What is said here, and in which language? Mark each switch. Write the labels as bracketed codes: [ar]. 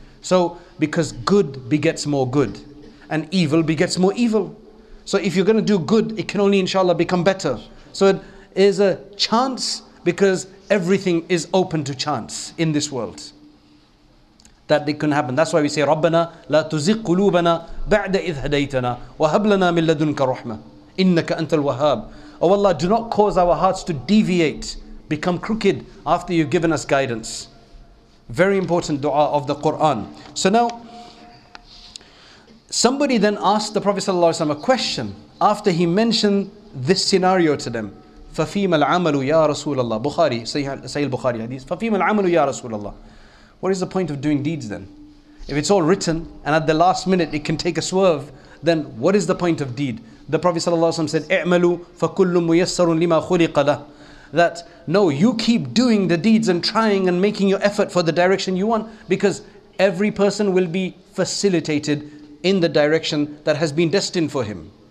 [en] So, because good begets more good, and evil begets more evil. So if you're going to do good, it can only, inshallah, become better. So it is a chance, because everything is open to chance in this world. That they couldn't happen. That's why we say, [ar] رَبَّنَا لَا تُزِقْ قُلُوبَنَا بَعْدَ إِذْ هَدَيْتَنَا وَهَبْ لَنَا مِنْ لَدُنْكَ رَحْمَةٍ إِنَّكَ أَنْتَ الْوَهَابِ. [en] Oh Allah, do not cause our hearts to deviate, become crooked after you've given us guidance. Very important dua of the Quran. So now, somebody then asked the Prophet ﷺ a question after he mentioned this scenario to them. [ar] فَفِيمَ الْعَمَلُ يَا رَسُولَ اللَّهِ Bukhari, Sahih al-Bukhari hadith. فَفِيمَ الْعَمَلُ يَا رَسُولَ اللَّهِ [en] What is the point of doing deeds then? If it's all written and at the last minute it can take a swerve, then what is the point of deed? The Prophet ﷺ said, [ar] اِعْمَلُوا فَكُلُّ مُيَسَّرٌ لِمَا خُلِقَ لَهُ [en] that no, you keep doing the deeds and trying and making your effort for the direction you want, because every person will be facilitated in the direction that has been destined for him.